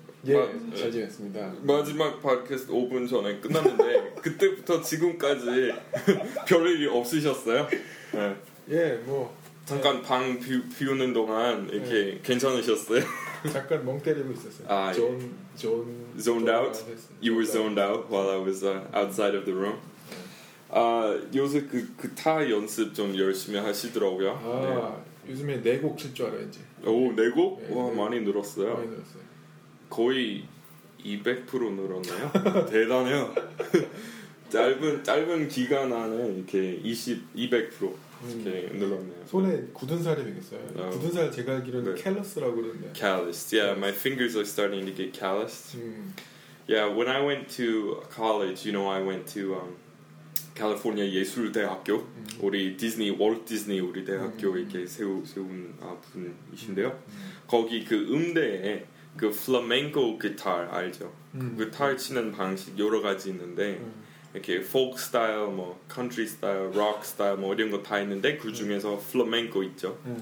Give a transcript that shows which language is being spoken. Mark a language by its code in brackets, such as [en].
[ko] 예, 잘 지냈습니다. 마지막 팟캐스트 5분 전에 끝났는데 그때부터 지금까지 별일이 없으셨어요? 네. 예, 뭐 잠깐 네. 방 비우는 동안 이렇게 네. 괜찮으셨어요? 잠깐 멍 때리고 있었어요. 아, 존 [en] zoned out. You were zoned out while I was outside of the room. [ko] 아, 요새 그 타 연습 좀 열심히 하시더라고요. 아, 네. 요즘에 네 곡 칠 줄 알아 이제. 오, 네 곡? 네, 와, 네. 많이 늘었어요. 많이 늘었어요. 거의 200% 늘었나요? 대단해요. 짧은 기간 안에 이렇게 200% 이렇게 늘었네요. 손에 굳은 살이 되겠어요. 굳은 살 제가 알기로는 네. 캘러스라고 그러는데. [en] Calloused. Yeah, my fingers are starting to get calloused. Yeah, when I went to college, you know, I went to California 예술대학교. [ko] 우리 디즈니 월드 디즈니 우리 대학교 이렇게 세운 분이신데요. 거기 그 음대에 그 플라멩코 기타 알죠? 그 기타 치는 방식 여러 가지 있는데 이렇게 folk style, 뭐 country style, rock style 뭐 이런 거 다 있는데 그 중에서 플라멩코 있죠.